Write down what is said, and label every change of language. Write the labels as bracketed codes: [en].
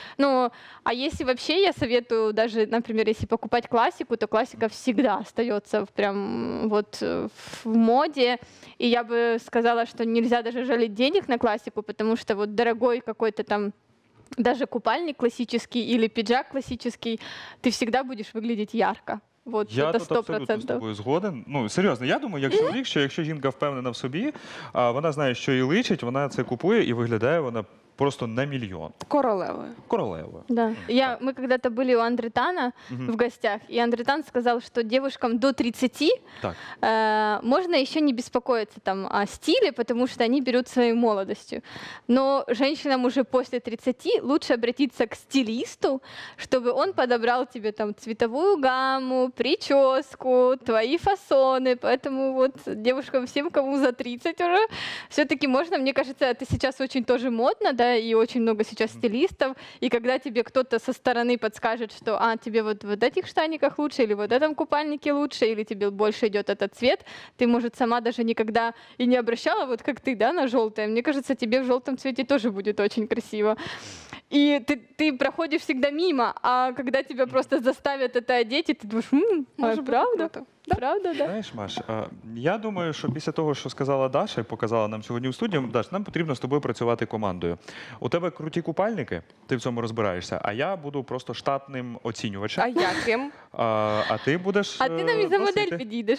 [ru] Ну, а если вообще, я советую, даже, например, если покупать классику, то классика всегда остается прям вот в моде. И я бы сказала, что нельзя даже жалеть денег на классику, потому что вот дорогой какой-то там даже купальник классический или пиджак классический, [uk] ти завжди будеш виглядати ярко. [ru] Вот, [uk] я тут абсолютно з тобою згоден. Ну, серйозно, я думаю, як чоловік, що якщо жінка впевнена в собі, вона знає, що її личить, вона це купує і виглядає вона просто на мільйон. Королевою. Королевою. [ru] Да. [uk] Ми коли-то були у Андре Тана в гостях, і Андре Тан сказав, що дівчатам до 30 можна ще не беспокоїтися там о стилі, тому що вони беруть свою молодістю. Но жінкам уже після 30 [ru] лучше обратитися к стилісту, [uk] щоб він підобрав тобі там цвітову гаму, прическу, твої фасони. [ru] Поэтому вот [uk] дівчатам всім, кому за 30 уже, все-таки можна, мені кажется, це зараз дуже тоже модно. [ru] Да, и очень много сейчас стилистов, и когда тебе кто-то со стороны подскажет, что а, тебе вот в этих штаниках лучше, или вот в этом купальнике лучше, или тебе больше идет этот цвет, ты, может, сама даже никогда и не обращала, вот как ты, да, на желтое. Мне кажется, тебе в желтом цвете тоже будет очень красиво. И ты проходишь всегда мимо, а когда тебя просто заставят это одеть, и ты думаешь, а, может, правда? Да. Правда, да? [uk] Знаєш, Маш, я думаю, що після того, що сказала Даша і показала нам сьогодні у студії, Даш, нам потрібно з тобою працювати командою. У тебе круті купальники, ти в цьому розбираєшся, а я буду просто штатним оцінювачем. А яким? А ти будеш... А ти нам і за модель підійдеш.